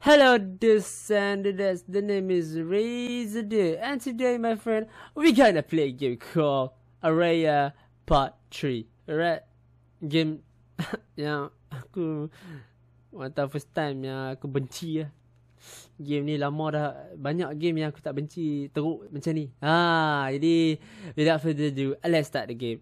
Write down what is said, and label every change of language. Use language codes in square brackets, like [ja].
[en] RezZaDude, the name is RezZaDude, and today, my friend, we're gonna play a game called Araya Part 3. Alright? [ms] Game yang aku wanta [en] first time [ms] yang aku benci lah. Game ni lama dah, banyak game yang aku tak benci teruk macam ni. Jadi, [en] without further ado, let's start the game.